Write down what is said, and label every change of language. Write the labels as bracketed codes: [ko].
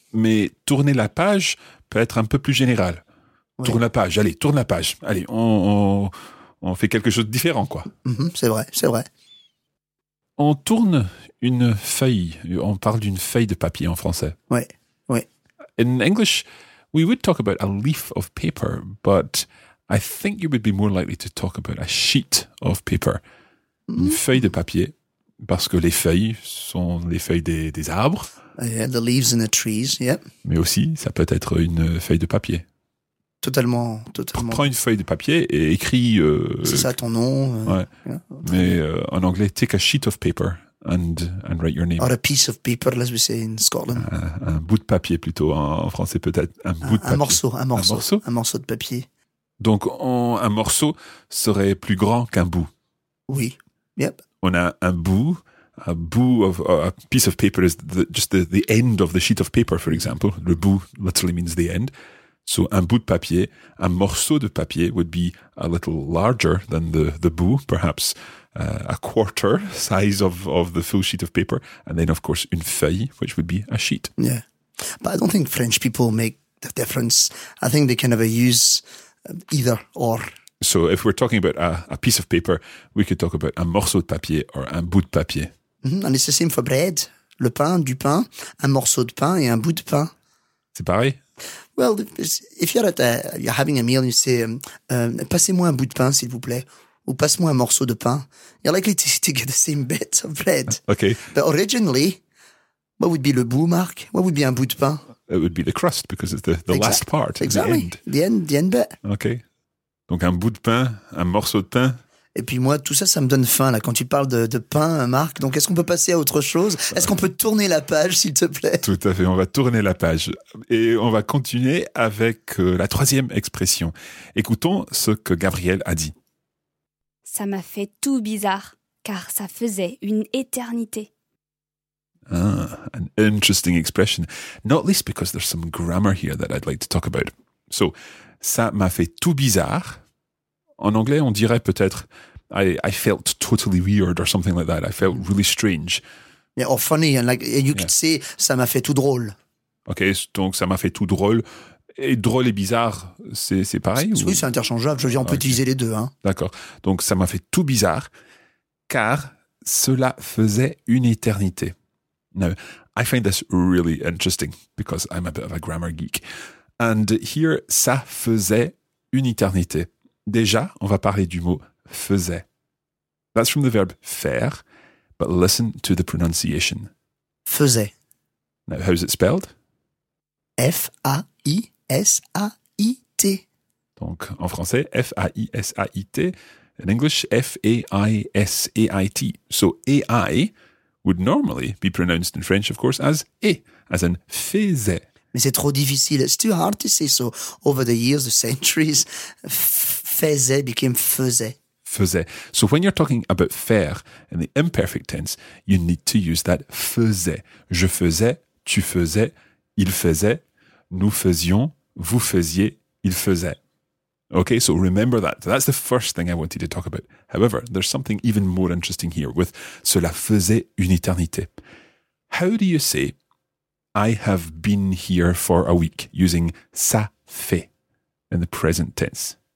[fr] Mais tourner la page peut être un peu plus général. Oui. Tourne la page, allez, tourne la page. Allez, on fait quelque chose de différent, quoi. Mm-hmm, c'est vrai, c'est vrai. On tourne une feuille. On parle d'une feuille de papier en français. Oui, oui. [en] In English, we would talk about a leaf of paper, but I think you would be more likely to talk about a sheet of paper. [fr] Mm-hmm. Une feuille de papier. Parce que les feuilles sont les feuilles des arbres. [en] Yeah, the leaves in the trees, yeah. [fr] Mais aussi, ça peut être une feuille de papier. Totalement, totalement. Prends une feuille de papier et écris... C'est ça, ton nom. [en] Ouais. Yeah. [fr] Mais en anglais, [en] take a sheet of paper and write your name. Or a piece of paper, as we say in Scotland. [fr] Un bout de papier plutôt, en français peut-être. Un morceau de papier. Donc, un morceau serait plus grand qu'un bout. Oui, yep. On a un bout, [en] a piece of paper is just the end of the sheet of paper, for example. Le bout literally means the end. So [fr] un bout de papier, [en] un morceau de papier would be a little larger than the bout, perhaps a quarter size of the full sheet of paper. And then, of course, une feuille, which would be a sheet. Yeah. But I don't think French people make the difference. I think they kind of use either or. So if we're talking about a piece of paper, we could talk about [fr] un morceau de papier [en] or [fr] un bout de papier. [en] Mm-hmm. And it's the same for bread. [fr] Le pain, du pain, un morceau de pain et un bout de pain. C'est pareil? [en] Well, if you're you're having a meal and you say, [fr] passez-moi un bout de pain, [en] s'il vous plaît, ou passe-moi un morceau de pain, you're likely to get the same bit of bread. Okay. But originally, what would be le bout, Marc? What would be un bout de pain? It would be the crust, because it's the last part. Exactly. The end bit. [fr] Okay. Donc un bout de pain, un morceau de pain. Et puis moi, tout ça, ça me donne faim, là, quand tu parles de pain, Marc. Donc est-ce qu'on peut passer à autre chose? Est-ce qu'on peut tourner la page, s'il te plaît? Tout à fait, on va tourner la page. Et on va continuer avec la troisième expression. Écoutons ce que Gabriel a dit. Ça m'a fait tout bizarre, car ça faisait une éternité. [en] Ah, an interesting expression. Not least because there's some grammar here that I'd like to talk about. So... [fr] Ça m'a fait tout bizarre. En anglais, on dirait peut-être [en] I felt totally weird or something like that. I felt really strange. Yeah, or funny. And like you could say, [fr] ça m'a fait tout drôle. OK, donc ça m'a fait tout drôle. Et drôle et bizarre, c'est pareil? Oui, c'est interchangeable. Je veux dire, on peut utiliser les deux. Hein. D'accord. Donc ça m'a fait tout bizarre, car cela faisait une éternité. [en] Now, I find this really interesting because I'm a bit of a grammar geek. And here, [fr] ça faisait une éternité. Déjà, on va parler du mot faisait. [en] That's from the verb faire, but listen to the pronunciation. [fr] Faisait. [en] Now, how's it spelled? F-A-I-S-A-I-T. [fr] Donc, en français, [en] F-A-I-S-A-I-T. In English, F-A-I-S-A-I-T. So, A-I would normally be pronounced in French, of course, as E, as in faisait. [fr] Mais c'est trop difficile. [en] It's too hard to say. So, over the years, the centuries, faisait became faisait. [fr] Faisait. [en] So when you're talking about faire in the imperfect tense, you need to use that faisait. [fr] Je faisais, tu faisais, il faisait, nous faisions, vous faisiez, il faisait. [en] Okay, so remember that. That's the first thing I wanted to talk about. However, there's something even more interesting here with [fr] cela faisait une éternité. [en] How do you say I have been here for a week using ça fait in the present tense?